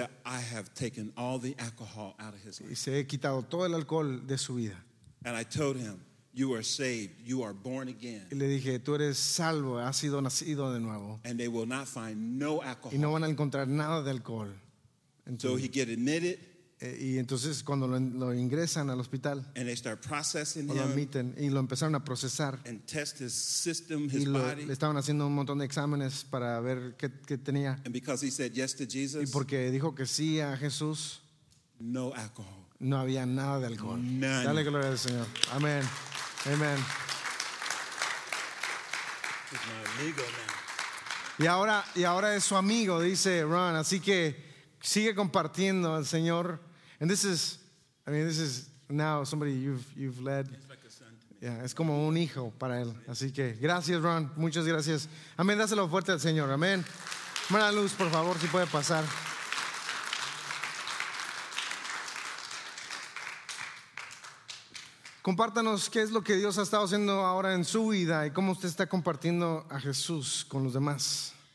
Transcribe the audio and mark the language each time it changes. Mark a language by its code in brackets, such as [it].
[en] Said, I have taken all the alcohol out of his life. [es] Y se he quitado todo el alcohol de su vida. [en] And I told him. You are saved. You are born again. [es] Y le dije, tú eres salvo. Has sido nacido de nuevo. [en] And they will not find no alcohol. [es] Y no van a encontrar nada de alcohol. [en] Entonces, so he get admitted. [es] Y entonces cuando lo ingresan al hospital. [en] And they start processing him. [es] Lo admiten y lo empezaron a procesar. [en] And test his system, his [es] y lo, [en] body. [es] Le estaban haciendo un montón de exámenes para ver qué tenía. [en] And because he said yes to Jesus. [es] Y porque dijo que sí a Jesús. [en] No alcohol. [es] No había nada de alcohol. [en] None. [es] Dale gloria al Señor. Amén. Amen. [en] He's my amigo now. [es] Y ahora es su amigo, dice Ron. Así que sigue compartiendo al Señor. [en] And this is now somebody you've led. It's like a son to me. [es] Yeah, es como un hijo para él. Así que gracias, Ron. Muchas gracias. Amén. Dáselo fuerte al Señor. Amén. Mara Luz, por favor, si puede pasar. Compártanos qué es lo que Dios ha estado haciendo ahora en su vida y cómo usted está compartiendo a Jesús con los demás.